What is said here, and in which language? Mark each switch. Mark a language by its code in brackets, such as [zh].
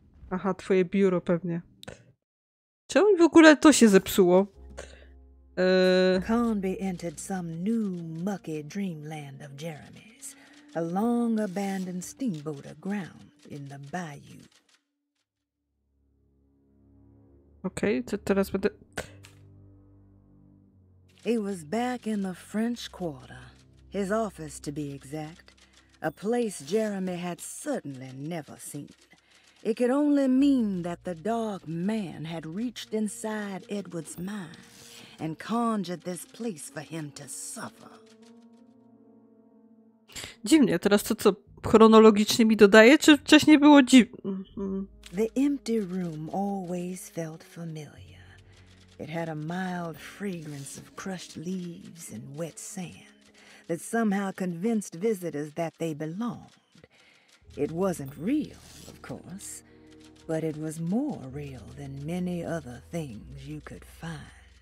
[pl] Aha, twoje biuro pewnie. Czemu w ogóle to się zepsuło? [en] Conby entered some new mucky dreamland of Jeremy's, a long abandoned steamboat aground in the bayou. [pl] Okej, okay, to teraz będę... [en] He was back in the French Quarter, his office to be exact, a place Jeremy had certainly never seen. It could only mean that the dark man had reached inside Edward's mind and conjured this place for him to suffer. [pl] Dziwnie, teraz to co chronologicznie mi dodaje, czy wcześniej było dziwne? [en] The empty room always felt familiar. It had a mild fragrance of crushed leaves and wet sand that somehow convinced visitors that they belonged. It wasn't real, of course, but it was more real than many other things you could find.